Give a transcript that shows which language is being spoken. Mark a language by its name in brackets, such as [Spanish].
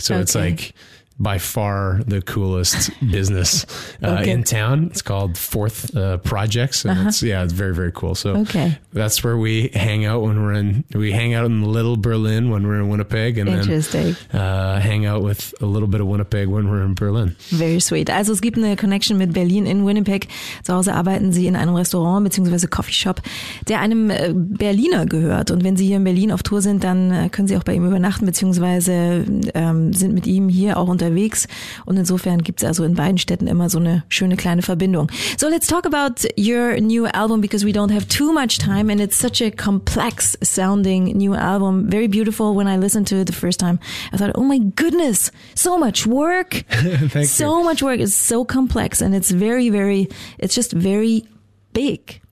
[English] So it's like by far the coolest business in town. It's called Fourth Projects, and it's very, very cool. So that's where we hang out when we're in. We hang out in Little Berlin when we're in Winnipeg, and interesting. Then hang out with a little bit of Winnipeg when we're in Berlin. Very sweet. [German] Also es gibt eine Connection mit Berlin in Winnipeg. Zu Hause arbeiten Sie in einem Restaurant bzw. Coffeeshop, der einem Berliner gehört. Und wenn Sie hier in Berlin auf Tour sind, dann können Sie auch bei ihm übernachten bzw. Sind mit ihm hier auch unterwegs, und insofern gibt es also in beiden Städten immer so eine schöne kleine Verbindung. [English] So let's talk about your new album, because we don't have too much time, and it's such a complex sounding new album. Very beautiful. When I listened to it the first time, I thought, oh my goodness, so much work. Thank so you. Much work. It's so complex, and it's very, very, it's just very big.